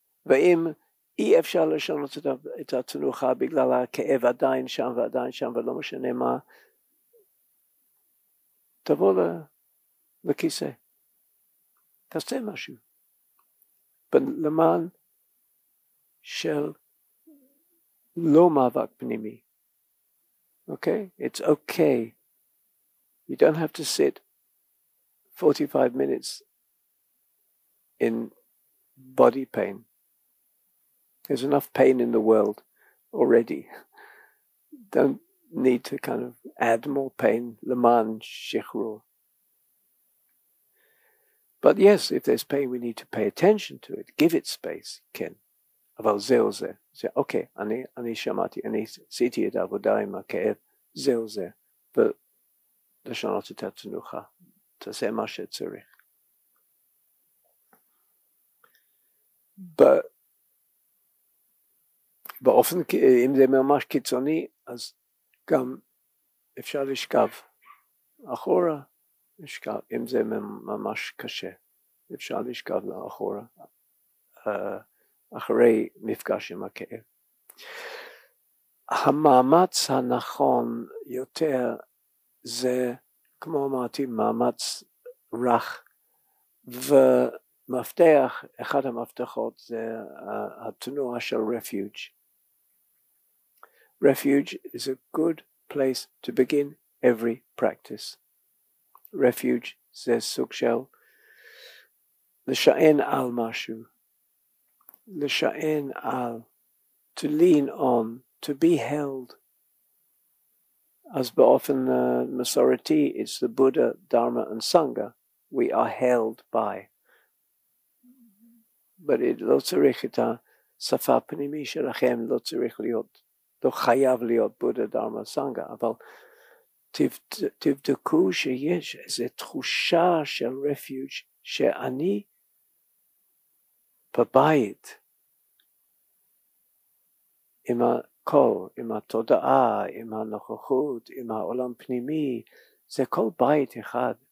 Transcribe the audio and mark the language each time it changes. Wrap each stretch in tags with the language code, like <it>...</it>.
<he>ואם אי אפשר לשנות את התנוחה בגלל הכאב עדיין שם ועדיין שם, ולא משנה מה, תבוא לכיסא, תעשה משהו, למען של לא מאבק פנימי.</he> <en>Okay, it's okay. You don't have to sit 45 minutes in body pain. There's enough pain in the world already. Don't need to kind of add more pain.</en> <he>Leman shichrur.</he> <en>But yes, if there's pain, we need to pay attention to it. Give it space, Ken.</en> <he>אבל זהו זה. זה, אוקיי, אני שמעתי, אני עשיתי את העבודה עם הכאב, זהו זה. ולשנות את התנוחה, תעשה מה שצריך. באופן, אם זה ממש קיצוני, אז גם אפשר לשכב אחורה, לשכב, אם זה ממש קשה, אפשר לשכב לאחורה. אחרי מפגש עם הכאב. המאמץ הנכון יותר זה, כמו אמרתי, מאמץ רך ומפתח, אחד המפתחות זה התנועה של רפיוג'.</he> <en>Refuge is a good place to begin every practice.</en> <he>Refuge זה סוג של לשען על משהו, לשען על,</he> <en>to lean on, to be held. As</en> <he>באופן מסורתי,</he> <en>it's the Buddha, Dharma and Sangha, we are held by. But it</en> <he>לא צריך את השפה הפנימי שלכם, לא צריך להיות, לא חייב להיות בודה, דרמה, סנגה, אבל תבדקו שיש איזו תחושה של רפיוג' שאני בבית עם הכל, עם התודעה, עם הנוכחות, עם העולם פנימי, זה כל בית אחד.</he>